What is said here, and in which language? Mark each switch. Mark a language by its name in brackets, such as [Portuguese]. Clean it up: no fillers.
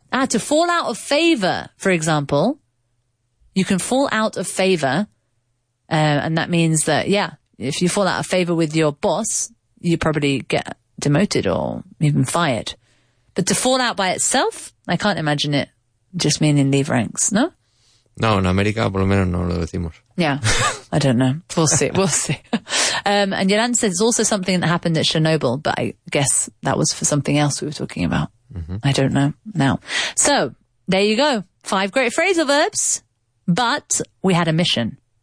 [English] To fall out of favor, for example. You can fall out of favor. And that means that, yeah, if you fall out of favor with your boss, you probably get demoted or even fired. But to fall out by itself, I can't imagine it just meaning leave ranks, no? [Spanish] No, en América por lo menos no lo decimos. [English] Yeah, I don't know. We'll see, we'll see. And Yolanda says it's also something that happened at Chernobyl, but I guess that was for something else we were talking about. Mm-hmm. I don't know now. So there you go. Five great phrasal verbs, but we had a mission.